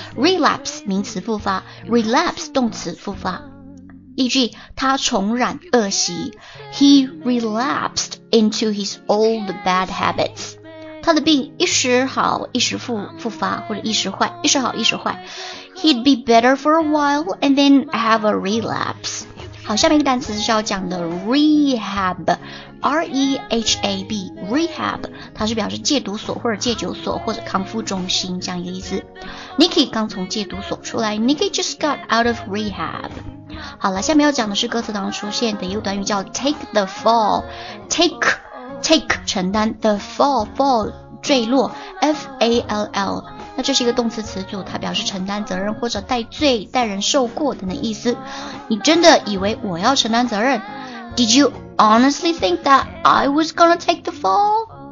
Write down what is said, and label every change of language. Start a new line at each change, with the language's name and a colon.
Chinese: relapse, 名词复发。relapse, 动词复发。例句，他重染恶习。
English: He relapsed into his old bad habits.
Chinese: 他的病一时好一时复发，或者一时坏，一时好一时坏。
English: He'd be better for a while and then have a relapse.
Chinese: 好，下面一个单词是要讲的 rehab, R-E-H-A-B, rehab, 它是表示戒毒所或者戒酒所或者康复中心这样一个意思。 Nikki 刚从戒毒所出来，
English: Nikki just got out of rehab.
Chinese: 好了，下面要讲的是歌词当中出现的一个短语叫 take the fall, take 承担 the fall 坠落 F-A-L-L, 那这是一个动词词组，它表示承担责任或者带罪带人受过等的意思。你真的以为我要承担责任？
English: Did you honestly think that I was gonna take the fall?